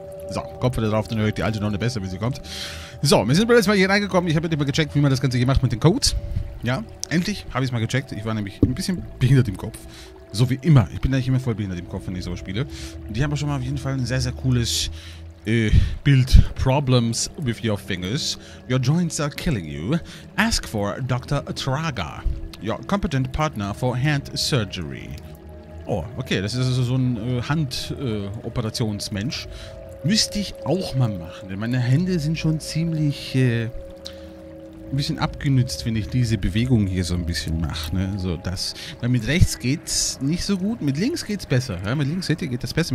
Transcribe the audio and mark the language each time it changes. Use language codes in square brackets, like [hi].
[de] So, Kopf wieder drauf, dann höre ich die alte noch eine besser, wie sie kommt. So, wir sind beim letzten Mal hier reingekommen. Ich habe nicht mal gecheckt, wie man das Ganze hier macht mit den Codes. Ja, endlich habe ich es mal gecheckt. Ich war nämlich ein bisschen behindert im Kopf. So wie immer. Ich bin eigentlich immer voll behindert im Kopf, wenn ich sowas spiele. Und die haben auch schon mal auf jeden Fall ein sehr, sehr cooles Build [en] problems with your fingers. Your joints are killing you. Ask for Dr. Traga, your competent partner for hand surgery. [de] Oh, okay, das ist also so ein Handoperationsmensch. Müsste ich auch mal machen, denn meine Hände sind schon ziemlich ein bisschen abgenützt, wenn ich diese Bewegung hier so ein bisschen mache. Ne? So, das. Weil mit rechts geht's nicht so gut, mit links geht's besser. Ja? Mit links seht ihr, geht das besser.